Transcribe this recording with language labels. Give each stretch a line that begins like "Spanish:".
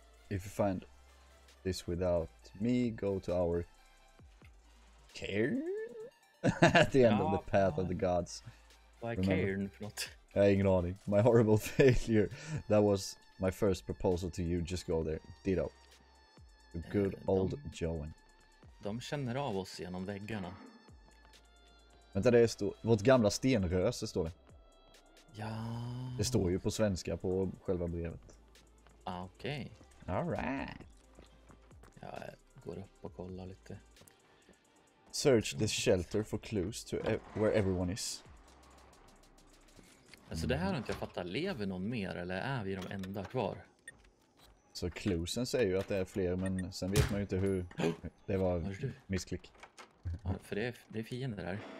English: If you find this without me, go to our cairn at the end of the path of the gods. Why cairn, if not?
Swedish: Jag har ingen aning.
English: My horrible failure. That was my first proposal to you. Just go there. Ditto. The good old Joan.
Swedish: De känner av oss genom väggarna. Vänta, det står vårt gamla stenröse, står det. Ja. Det står ju på svenska på själva brevet. Okej.
English: Okay. All right.
Swedish: Jag går upp och kollar lite.
English: Search the shelter for clues to where everyone is.
Swedish: Alltså det här har inte jag fattat. Lever någon mer eller är vi de enda kvar? Så cluesen säger ju att det är fler, men sen vet man ju inte hur. Det var missklick. Ja, för det är fiender där.